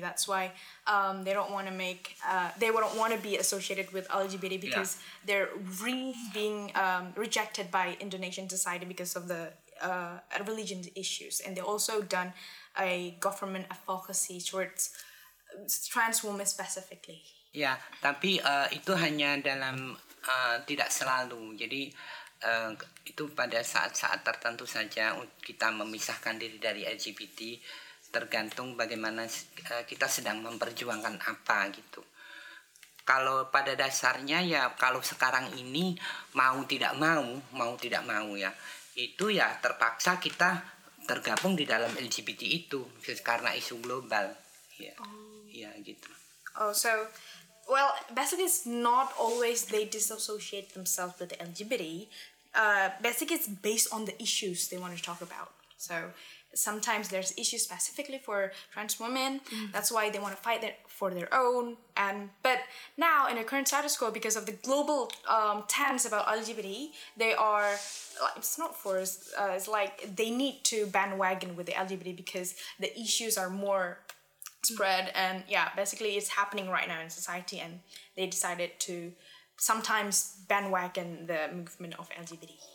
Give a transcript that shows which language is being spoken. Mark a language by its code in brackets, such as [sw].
[en] That's why they wouldn't want to be associated with LGBT because they're being rejected by Indonesian society because of the religion issues. And they also done a government advocacy towards trans women specifically. [id] Ya, tapi itu hanya dalam tidak selalu. Jadi itu pada saat-saat tertentu saja kita memisahkan diri dari LGBT, tergantung bagaimana kita sedang memperjuangkan apa gitu. Kalau pada dasarnya ya, kalau sekarang ini mau tidak mau ya, itu ya terpaksa kita tergabung di dalam LGBT itu karena isu global. Ya gitu. [en] Oh, so well, basically, it's not always they disassociate themselves with the LGBT. Basically, it's based on the issues they want to talk about. So sometimes there's issues specifically for trans women. That's why they want to fight for their own. But now, in the current status quo, because of the global tense about LGBT, it's like they need to bandwagon with the LGBT because the issues are more spread, and yeah, basically it's happening right now in society, and they decided to sometimes bandwagon the movement of LGBT.